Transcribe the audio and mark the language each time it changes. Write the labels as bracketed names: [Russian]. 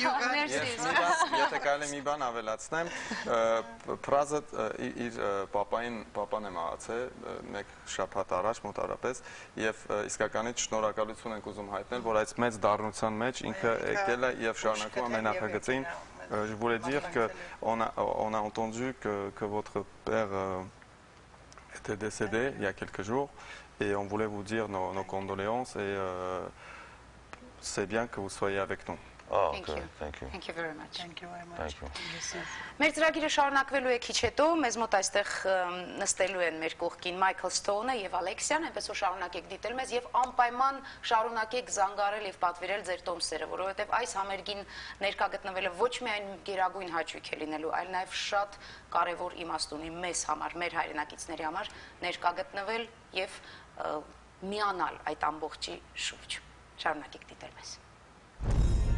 [Armenian] Ես եթե կարելի մի բան ավելացնեմ, Պրազը իր պապան է մահացել մեկ շաբաթ առաջ մոտարապես, եւ իսկականից շնորհակալություն ենք ուզում հայտնել, որ այս մեծ դառնության մեջ ինքը եկել է եւ շարունակում է մենախագծին. [French] Je voulais dire que on a entendu que votre père était décédé il y a quelques jours et on voulait vous dire nos condoléances et c'est bien que vous soyez avec nous. [English] Oh, thank good. You. Thank you. Thank you very much. Thank you very much. Thank you. [Armenian] Մեր ծրագիրը շարունակվելու է քիչ հետո, մեզ մոտ այստեղ նստելու են մեր կողքին Michael Stone-ը եւ Alexia-ն, այնպես որ շարունակեք դիտել մեզ եւ անպայման շարունակեք զանգարել եւ պատվիրել ձեր տոմսերը, որովհետեւ այս համերգին ներկա գտնվելը ոչ միայն գերագույն հաճույք է լինելու, այլ նաեւ շատ կարեւոր իմաստ ունի մեզ համար, մեր հայրենակիցների համար ներկա գտնվել եւ միանալ այդ ամբողջի շուրջ։ Շարունակեք դիտել մեզ։